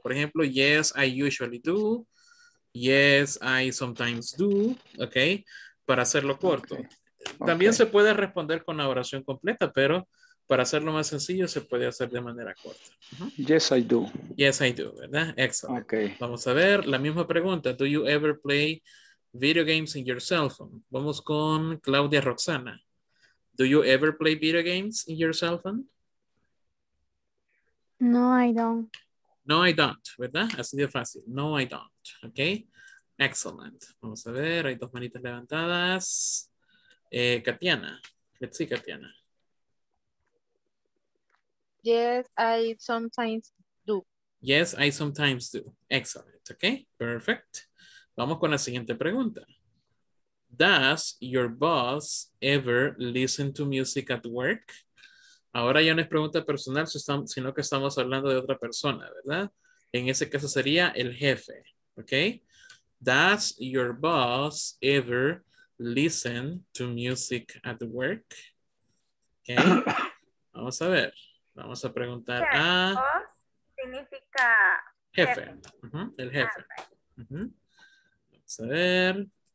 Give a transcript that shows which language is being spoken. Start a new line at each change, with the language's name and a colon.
Spanish: Por ejemplo,
English: yes, I usually do. Yes, I sometimes do. ¿Ok?
Spanish: Para hacerlo corto.
English: Okay.
Spanish: También se puede responder con la oración completa, pero para hacerlo más sencillo se puede hacer de manera corta.
English: Yes, I do. Yes, I do,
Spanish: ¿verdad?
English: Excellent. Okay.
Spanish: Vamos a ver la misma pregunta.
English: Do you ever play video games in your cell phone?
Spanish: Vamos con Claudia Roxana.
English: Do you ever play video games in your cell phone? No, I don't. No, I don't,
Spanish: ¿verdad? Así de fácil.
English: No, I don't. Okay. Excellent.
Spanish: Vamos a ver, hay dos manitas levantadas. Katiana.
English: Let's see,
Spanish: Katiana.
English: Yes, I do. Yes, I sometimes do. Yes, I sometimes do. Excellent. Okay, perfect.
Spanish: Vamos con la siguiente pregunta.
English: Does your boss ever listen to music at work?
Spanish: Ahora ya no es pregunta personal, sino que estamos hablando de otra persona, ¿verdad? En ese caso sería el jefe, ¿ok?
English: Does your boss ever listen to music at work?
Spanish: Okay. Vamos a ver. Vamos a preguntar a... ¿Boss significa jefe? Jefe. Uh-huh. El jefe. Uh-huh. Vamos a ver.